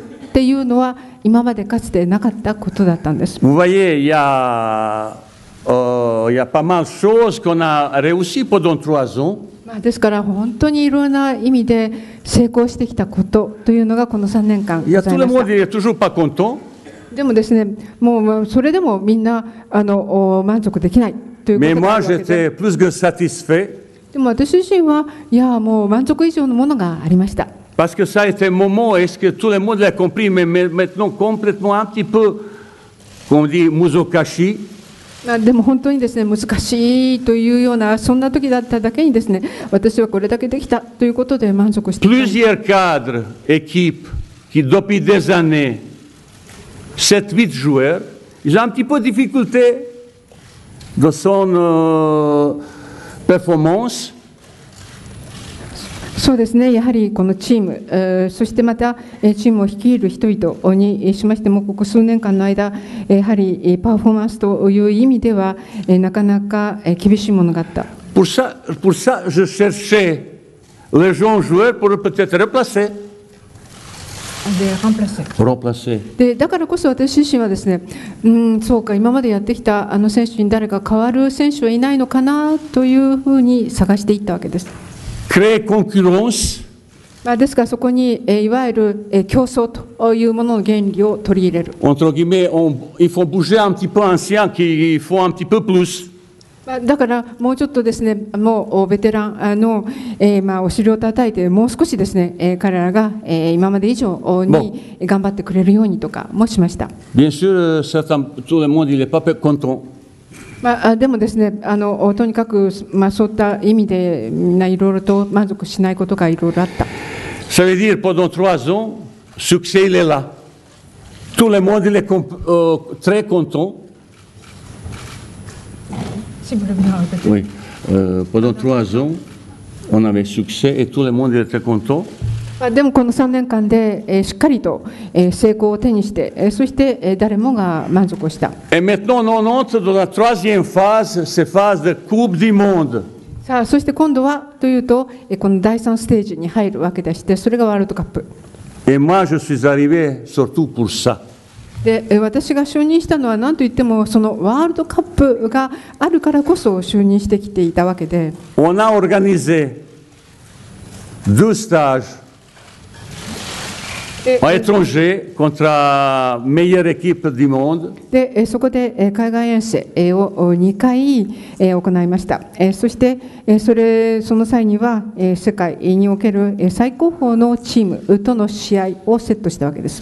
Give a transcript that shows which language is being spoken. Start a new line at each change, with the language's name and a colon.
Japanese: っていうのは今までかつてなかったことだったんです。
French: Vous voyez, il y a, y a pas mal de choses qu'on a réussi pendant trois ans.
Japanese: まあですから本当にいろんな意味で成功してきたことというのがこの3年間ございました。
French: Il y a tout le monde est toujours pas content.
Japanese: でもですね、もうそれでもみんな満足できないということがあるわけで。
French: Mais moi j'étais plus que satisfait.
Japanese: でも私自身はいやもう満足以上のものがありました。
French: Parce que ça a été un moment, est-ce que tout le monde l'a compris, mais maintenant complètement un petit peu, comme on dit, muzokashi.
Japanese: でも本当にですね、難しいというようなそんな時だっただけにですね、私はこれだけできたということで満足して。
French: Plusieurs cadres, équipes, qui depuis des années, 7-8 joueurs, ils ont un petit peu de difficulté dans son performance.
Japanese: そうですね、やはりこのチーム、そしてまたチームを率いる人々にしましても、ここ数年間の間、やはりパフォーマンスという意味では、なかなか厳しいものがあった。
French: Pour ça, je cherchais les jeunes joueurs pour peut-être remplacer.
Japanese: で、だからこそ私自身はですね、そうか、今までやってきたあの選手に誰か変わる選手はいないのかなというふうに探していったわけです。
French: Créer concurrence.
Japanese: まあですからそこにいわゆる競争というものの原理を取り入れる。
French: Entre guillemets, ils font bouger un petit peu ancien qui font un petit peu plus.
Japanese: まあだからもうちょっとですね、もうベテランの、まあお尻を叩いてもう少しですね、彼らが、今まで以上に頑張ってくれるようにとかもしました。
French: Bien sûr, certains, tout le monde n'est pas content.
Japanese: まあ、でもですね、とにかく、まあ、そういった意味でみんないろいろと満足しないことがいろいろあった。
French: Ça veut dire pendant trois ans, succès il est là. Tout le monde est très content. Si vous le voulez. Oui. Pendant trois ans, on avait succès et tout le monde est très content.
Japanese: でもこの3年間でしっかりと成功を手にして、そして誰もが満足をした。
French: Et maintenant, on entre dans la troisième phase, c'est phase de Coupe du Monde.
Japanese: さあ、そして今度はというと、この第3ステージに入るわけでして、それがワールドカップ。
French: Et moi, je suis arrivé surtout pour ça.
Japanese: で、私が就任したのは何といってもそのワールドカップがあるからこそ就任してきていたわけで。
French: On a organisé deux stages. À l'étranger contre la meilleure équipe du monde.
Japanese: で、そこで海外遠征を2回行いました。そしてその際には世界における最高峰のチームとの試合をセットしたわけです。